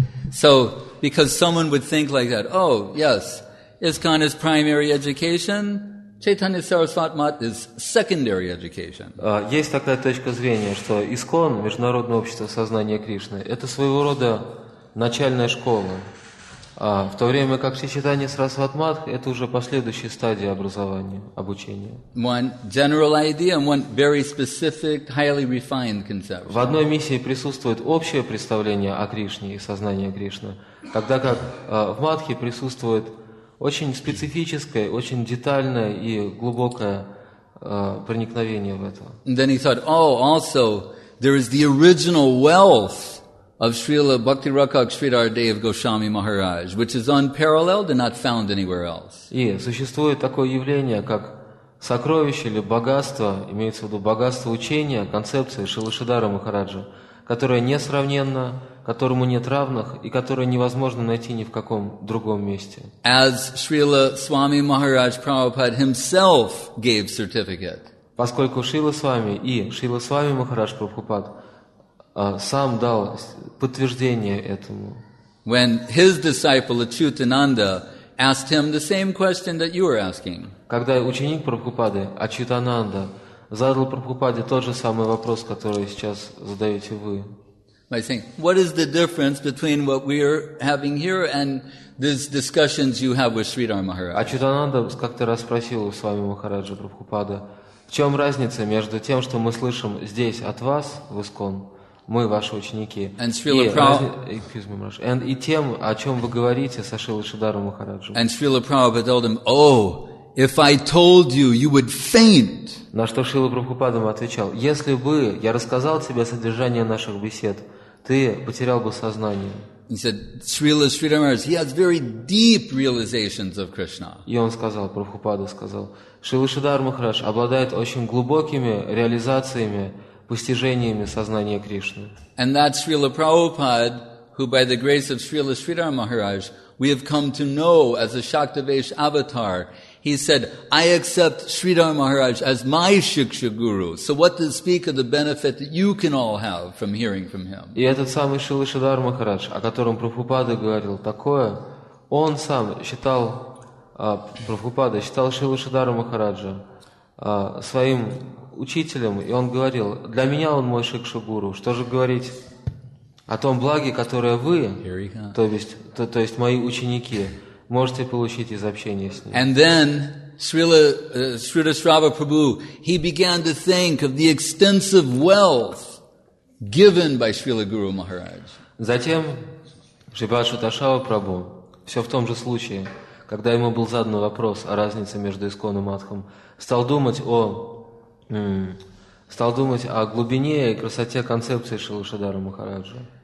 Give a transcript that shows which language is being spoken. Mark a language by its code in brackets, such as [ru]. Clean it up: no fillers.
[en] So, because someone would think like that, oh, yes, ISKCON is primary education, Chaitanya Sarasvat Mat is secondary education. [ru] Есть такая точка зрения, что ИСККОН, Международное общество сознания Кришны, это своего рода начальная школа. В то время как Шри Чайтанья Сарасвати Матх это уже последующая стадия образования, обучения. [en] One general idea and one very specific, highly refined conception. [ru] В одной миссии присутствует общее представление о Кришне и сознании Кришны, тогда как в Матхе присутствует очень специфическое, очень детальное и глубокое проникновение в это. [en] And then he thought, oh, also, there is the original wealth of Srila Bhakti Rakak Sridhar Dev Goswami Maharaj, which is unparalleled and not found anywhere else. [ru] И существует такое явление, как сокровище или богатство, имеется в виду богатство учения, концепции Шрилы Шридхара Махараджа, которое несравненно, которому нет равных и которое невозможно найти ни в каком другом месте. [en] As Srila Swami Maharaj Prabhupada himself gave certificate. [ru] Поскольку Шрила Свами и Шрила Свами Махарадж Прабхупад сам дал подтверждение этому. [en] When his disciple Ачютананда asked him the same question that you are asking. [ru] Когда ученик Прабхупады Ачютананда задал Прабхупаде тот же самый вопрос, который сейчас задаете вы. [en] By saying, what is the difference between what we are having here and these discussions you have with Sridhar Maharaj? [ru] Ачютананда как-то раз спросил у Свами Махараджа Прабхупада, в чем разница между тем, что мы слышим здесь от вас в ИСККОН, мы ваши ученики, и тем, о чем вы говорите со Шрилой Шридхаром Махараджем. [en] And Srila Prabhupada told him, oh, if I told you, you would faint. [ru] На что Шрила Прабхупада отвечал, если бы я рассказал тебе содержание наших бесед, ты потерял бы сознание. [en] He said, Srila Sridhar Maharaj, he has very deep realizations of Krishna. [ru] И он сказал, Прабхупада сказал, Шрила Шридхар Махарадж обладает очень глубокими реализациями, постижениями сознания Кришны. [en] And that's Srila Prabhupada, who by the grace of Srila Sridhar Maharaj, we have come to know as a Shaktivesh avatar. He said, I accept Sridhar Maharaj as my Shiksha Guru. So what does speak of the benefit that you can all have from hearing from him? [ru] И этот самый Шрила Шридхар Махарадж, о котором Прабхупада говорил такое, он сам считал, Прабхупада считал Шрила Шридхара Махараджа своим учителем, и он говорил, для меня он мой Шикша Гуру. Что же говорить о том благе, которое вы, то есть мои ученики, можете получить из общения с ним. [en] And then Sridhasrava Prabhu, he began to think of the extensive wealth given by Srila Guru Maharaj. [ru] Затем Шридхасрава Прабху, все в том же случае, когда ему был задан вопрос о разнице между ИСККОН и Матхом, стал думать о глубине и красоте концепции Шрилы Шридхара Махараджа.